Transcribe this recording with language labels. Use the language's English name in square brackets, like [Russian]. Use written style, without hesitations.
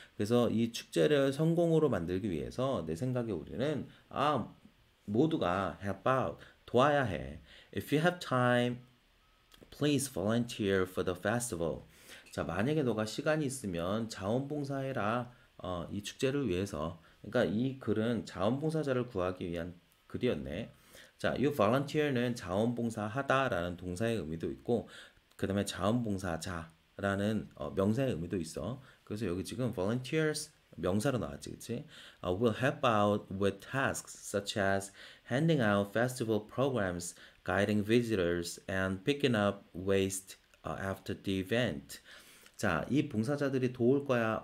[Korean] 그래서 이 축제를 성공으로 만들기 위해서 내 생각에 우리는 아, 모두가 [English] help out, [Korean] 도와야 해. [English] If you have time, please volunteer for the festival. [Korean] 자, 만약에 너가 시간이 있으면 자원봉사해라. 이 축제를 위해서. 그러니까 이 글은 자원봉사자를 구하기 위한 글이었네. 자, you volunteer는 자원봉사하다라는 동사의 의미도 있고, 그 다음에 자원봉사자라는 명사의 의미도 있어. 그래서 여기 지금 volunteers 명사로 나왔지, 그치? [English] Will help out with tasks such as handing out festival programs, guiding visitors, and picking up waste after the event. [Korean] 자, 이 봉사자들이 도울 거야.